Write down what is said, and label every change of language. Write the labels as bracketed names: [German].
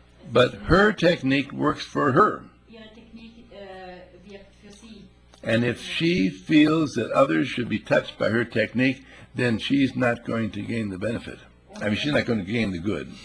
[English] But her technique works for her. [German] Ihre Technik, wirkt für sie. [English] And if she feels that others should be touched by her technique, then she's not going to gain the benefit. I mean, she's not going to gain the good.